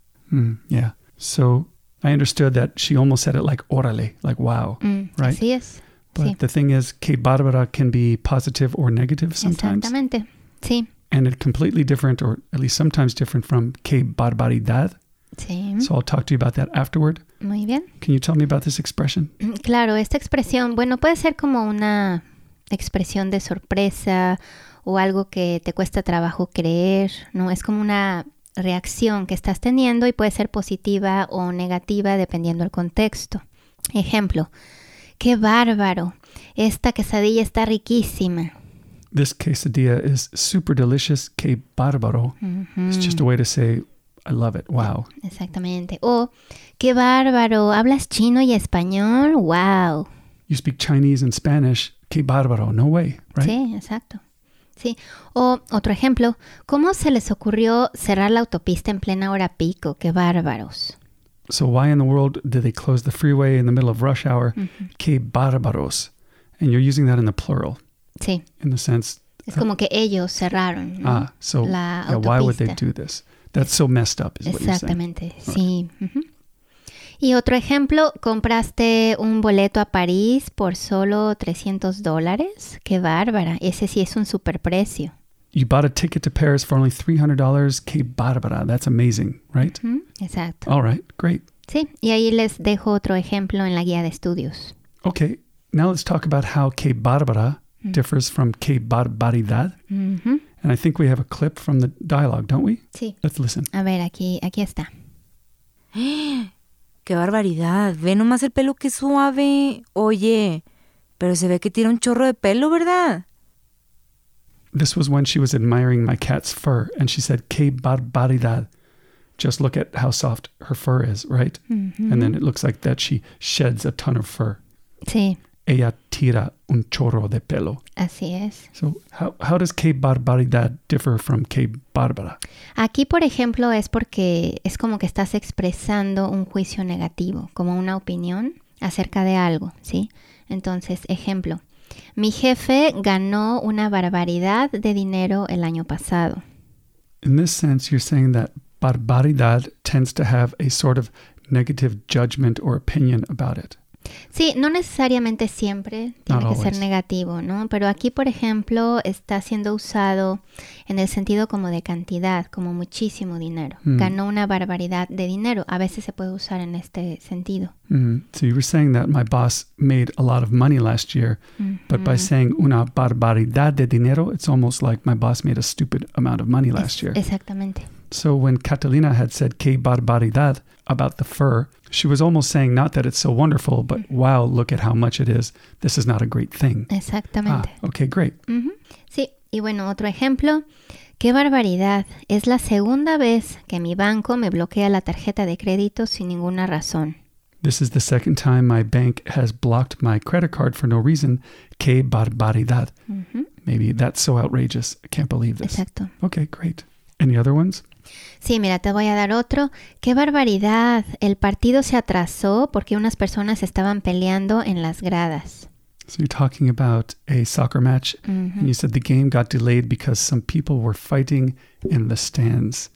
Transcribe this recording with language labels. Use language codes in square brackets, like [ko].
[en] Mm, yeah. So, I understood that she almost said it like, órale, like, wow, right? [es] Así es. [en] But [es] sí. [en] The thing is, [es] que bárbara [en] can be positive or negative sometimes. [es] Exactamente, sí. [en] And it's completely different, or at least sometimes different, from [es] que barbaridad. Sí. [en] So I'll talk to you about that afterward. [es] Muy bien. [en] Can you tell me about this expression? [es] Claro, esta expresión, bueno, puede ser como una expresión de sorpresa o algo que te cuesta trabajo creer, ¿no? Es como una reacción que estás teniendo y puede ser positiva o negativa dependiendo del contexto. Ejemplo, ¡qué bárbaro! Esta quesadilla está riquísima. [en] This quesadilla is super delicious, [es] que bárbaro. Mm-hmm. [en] It's just a way to say, I love it, wow. [es] Exactamente. O, que bárbaro, hablas chino y español, wow. [en] You speak Chinese and Spanish, [es] que bárbaro, [en] no way, right? [es] Sí, exacto. Sí. O, otro ejemplo, ¿cómo se les ocurrió cerrar la autopista en plena hora pico? Que bárbaros. [en] So why in the world did they close the freeway in the middle of rush hour? Mm-hmm. [es] Que bárbaros. [en] And you're using that in the plural. [es] Sí. [en] In the sense, [es] es como que ellos cerraron, ¿no? [en] Ah, so, [es] la autopista. Yeah, [en] why would they do this? That's so messed up, is [es] exactamente, [en] what you're saying. [es] Exactamente, sí. Okay. Y otro ejemplo, compraste un boleto a París por solo $300. ¡Qué bárbara! Ese sí es un superprecio. [en] You bought a ticket to Paris for only $300. [es] ¡Qué bárbara! [en] That's amazing, right? [es] Mm-hmm. Exacto. [en] All right, great. [es] Sí, y ahí les dejo otro ejemplo en la guía de estudios. [en] Okay, now let's talk about how [es] ¡qué bárbara! [en] Differs from que barbaridad. Mm-hmm. And I think we have a clip from the dialogue, don't we? [es] Sí. [en] Let's listen. [es] A ver, aquí está. ¡Qué barbaridad! Ve nomás el pelo, qué suave. Oye, pero se ve que tira un chorro de pelo, ¿verdad? [en] This was when she was admiring my cat's fur, and she said, [es] que barbaridad. [en] Just look at how soft her fur is, right? Mm-hmm. And then it looks like that she sheds a ton of fur. [es] Sí. Ella tira un chorro de pelo. Así es. [en] So, how does [es] que barbaridad [en] differ from [es] que bárbara? Aquí, por ejemplo, es porque es como que estás expresando un juicio negativo, como una opinión acerca de algo, ¿sí? Entonces, ejemplo, mi jefe ganó una barbaridad de dinero el año pasado. [en] In this sense, you're saying that barbaridad tends to have a sort of negative judgment or opinion about it. [es] Sí, no necesariamente siempre tiene que ser negativo, ¿no? Pero aquí, por ejemplo, está siendo usado en el sentido como de cantidad, como muchísimo dinero. Mm. Ganó una barbaridad de dinero. A veces se puede usar en este sentido. Mm. [en] So you were saying that my boss made a lot of money last year, but by saying [es] una barbaridad de dinero, [en] it's almost like my boss made a stupid amount of money last year. [es] Exactamente. [en] So when Catalina had said [es] qué barbaridad [en] about the fur, she was almost saying not that it's so wonderful, but wow, look at how much it is. This is not a great thing. [es] Exactamente. [en] Ah, okay, great. [es] Sí, y bueno, otro ejemplo. Qué barbaridad. Es la segunda vez que mi banco me bloquea la tarjeta de crédito sin ninguna razón. [en] This is the second time my bank has blocked my credit card for no reason. [es] Qué barbaridad. [en] Maybe that's so outrageous. I can't believe this. [es] Exacto. [en] Okay, great. Any other ones? [es] Sí, mira, te voy a dar otro. ¡Qué barbaridad! El partido se atrasó porque unas personas estaban peleando en las gradas. [en] So you're talking about a soccer match. And you said the game got delayed because some people were fighting in the stands.